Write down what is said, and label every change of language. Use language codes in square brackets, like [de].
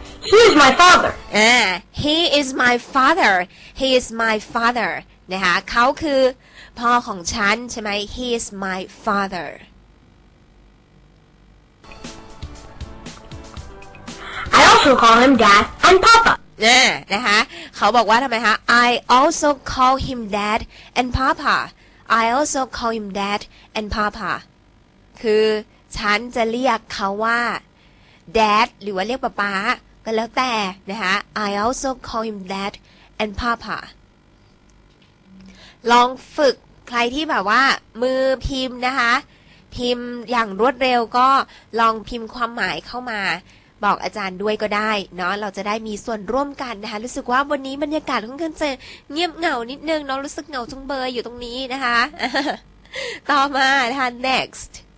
[en] He is my father He is my father He is my father [th] นะคะเขาคือพ่อของฉันใช่ไหม [en] He is my father I also call him Dad and Papa. [th] นะคะเขาบอกว่าทำไมคะ [en] I also call him Dad and Papa. I also call him Dad and Papa. [th] คือฉันจะเรียกเขาว่า Dad หรือว่าเรียกป้าป้าก็แล้วแต่นะคะ [en] I also call him Dad and Papa. [th] ลองฝึกใครที่แบบว่ามือพิมพ์นะคะพิมพ์อย่างรวดเร็วก็ลองพิมพ์ความหมายเข้ามาบอกอาจารย์ด้วยก็ได้เนาะเราจะได้มีส่วนร่วมกันนะคะรู้สึกว่าวันนี้บรรยากาศค่อนข้างจะเงียบเหงานิดนึงเนาะรู้สึกเหงาจังเบยอยู่ตรงนี้นะคะต่อมานะคะ next